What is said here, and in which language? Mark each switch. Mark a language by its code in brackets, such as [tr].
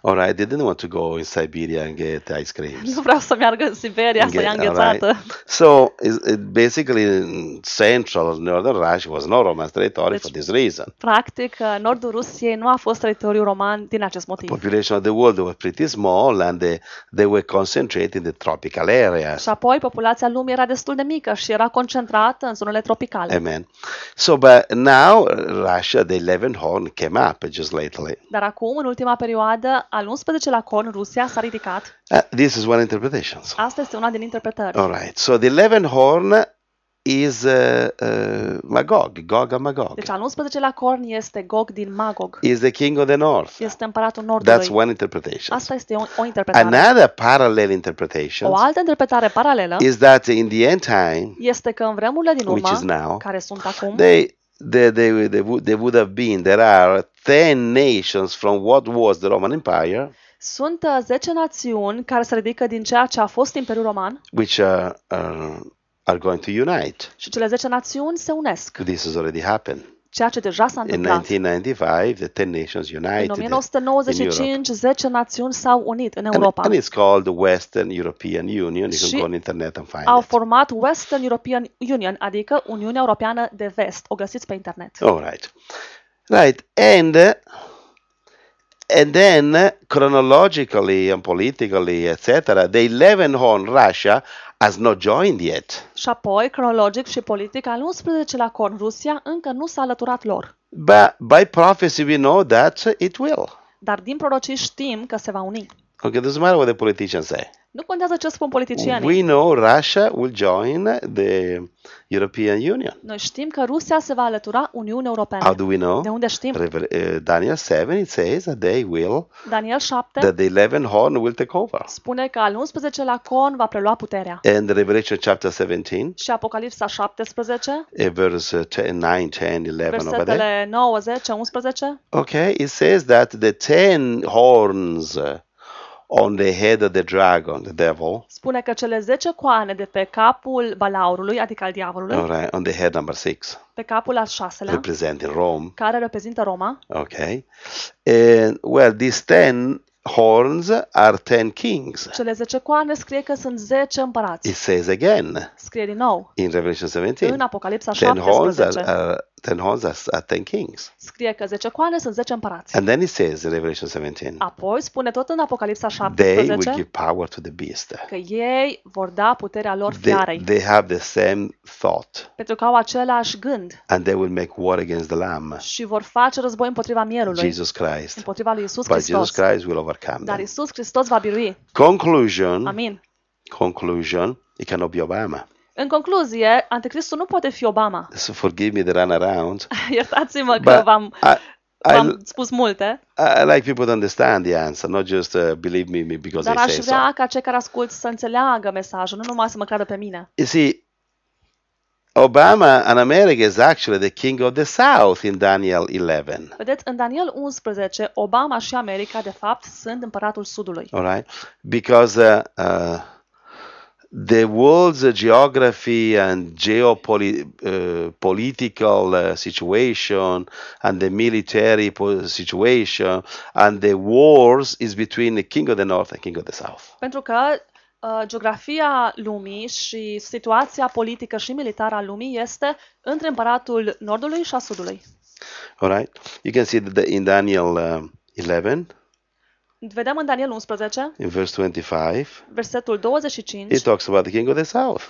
[en] All right, they didn't want to go in Siberia and get ice creams. [ro] Nu vreau să meargă în Siberia să ia înghețată. [en] So, basically, central or northern Russia was not Roman territory for this reason. [ro] Practic, nordul Rusiei nu a fost teritoriu roman din acest motiv. [en] The population of the world was pretty small and they were concentrated in the tropical areas. [ro] Și apoi, populația lumii era destul de mică și era concentrată în zonele tropicale. [en] Amen. So, but now, Russia, the 11th horn came up just lately. [ro] Dar acum, în ultima perioadă, al 11-lea corn, Rusia s-a ridicat. [en] This is one interpretation. So. [ro] Asta este una din interpretări. [en] All right. So the 11th horn is Magog, Gog and Magog. [ro] Deci al 11-lea corn este Gog din Magog. [en] Is the king of the north. [ro] Este împăratul nordului. [en] That's one interpretation. [ro] Asta este o interpretare. [en] Another parallel interpretation. [ro] O altă interpretare paralelă. [en] Is that in the end time. [ro] Este că în vremurile din urmă, [en] which is now, [ro] care sunt acum. [en] They would have been. There are 10 nations from what was the Roman Empire. [ro] Sunt 10 națiuni care se ridică din ceea ce a fost Imperiul Roman. [en] Which are going to unite. [ro] Și cele 10 națiuni se unesc. [en] This has already happened. [ro] Ceea ce deja s-a întâmplat. [en] In 1995, the 10 nations united. [ro] În 1995, 10 națiuni s-au unit în Europa. [en] And it's called the Western European Union. You can go on internet and find [ro] it. Au format Western European Union, adică Uniunea Europeană de Vest. O găsiți pe internet. [en] All right. Right. And then, chronologically and politically, etc., the 11th horn, Russia, has not joined yet. [ro] Și apoi, cronologic și politic, al 11-lea corn, Rusia, încă nu s-a alăturat lor. [en] But by prophecy we know that it will. [ro] Dar din prorocii știm că se va uni. [en] Okay, doesn't matter what the politicians say. [ro] Nu contează ce spun politicienii. [en] We know Russia will join the European Union. [ro] Noi știm că Rusia se va alătura Uniunii Europene. [en] How do we know? [ro] De unde știm? [en] Daniel 7, it says that they will. [ro] Daniel 7. [en] That the 11th horn will take over. [ro] Spune că al 11-lea corn va prelua puterea. [en] And Revelation chapter 17. [ro] Și Apocalipsa 17. [en] Verse 9, 10, 11. [ro] Versetele 9, 10, 11. [en] Okay, it says that the 10 horns on the head of the dragon, the devil. [ro] Spune că cele 10 coane de pe capul balaurului, adică al diavolului. [en] All right, on the head number 6. [ro] Pe capul al 6-lea. [en] Representing Rome. [ro] Care reprezintă Roma. [en] Okay. And well, these 10 horns are 10 kings. [ro] Cele 10 coane scrie că sunt 10 împărați. [en] It says again. [ro] Scrie din nou. [en] In Revelation 17. [ro] În Apocalipsa 17. [en] 10 horns are 10 kings. [ro] Scrie că 10 coane sunt 10 împărați. [en] And then it says in Revelation 17. [ro] Apoi spune tot în Apocalipsa 17. [en] They will give power to the beast. [ro] Că ei vor da puterea lor fiarei. [en] They have the same thought. [ro] Pentru că au același gând. [en] And they will make war against the lamb. [ro] Și vor face război împotriva mielului. [en] Jesus Christ. [ro] Împotriva lui Iisus [en] But [ro] Hristos. [en] Jesus Christ will overcome [ro] Dar Iisus Hristos va birui. [en] Conclusion. [ro] Amin. [en] Conclusion. It cannot be Obama. [ro] În concluzie, Anticristul nu poate fi Obama. [en] So forgive me the run around. [ro] Iertați-mă că v-am spus multe. [en] I like people to understand the answer, not just believe me because [ro] Dar [en] I say so. [ro] Dar aș vrea ca cei care ascult să înțeleagă mesajul, nu numai să mă creadă pe mine. [en] You see, Obama in America is actually the king of the South in Daniel 11. [ro] Vedeți, în Daniel 11, Obama și America, de fapt, sunt împăratul Sudului. [en] All right. Because the world's geography and geopolitical situation and the military situation and the wars is between the king of the north and king of the south. [ro] Pentru că geografia lumii și situația politică și militară a lumii este între împăratul nordului și a sudului. [en] All right. You can see that in Daniel 11. [ro] Vedem în Daniel 11, [en] in verse 25, [ro] versetul 25, [en] it talks about the king of the south.